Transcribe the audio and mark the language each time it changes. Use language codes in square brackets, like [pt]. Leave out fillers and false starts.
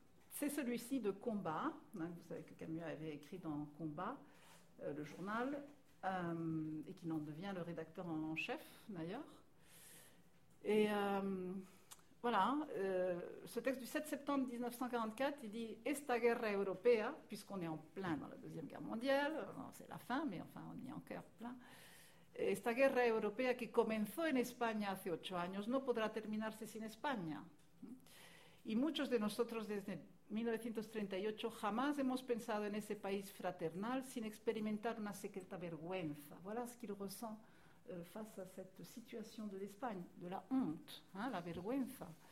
[fr] C'est celui-ci de Combat. Hein, vous savez que Camus avait écrit dans Combat, le journal, et qu'il en devient le rédacteur en chef, d'ailleurs. Et voilà, ce texte du 7 septembre 1944, il dit [es] Esta guerra europea, [fr] puisqu'on est en plein dans la Deuxième Guerre mondiale, c'est la fin, mais enfin, on y est encore plein. [es] Esta guerra europea que comenzó en España hace 8 años no podrá terminarse sin España. Y muchos de nosotros desde 1938 jamás hemos pensado en ese país fraternal sin experimentar una secreta vergüenza. [fr] Voilà ce qu'il ressent face à cette situation de l'Espagne, de la honte, hein, la vergüenza.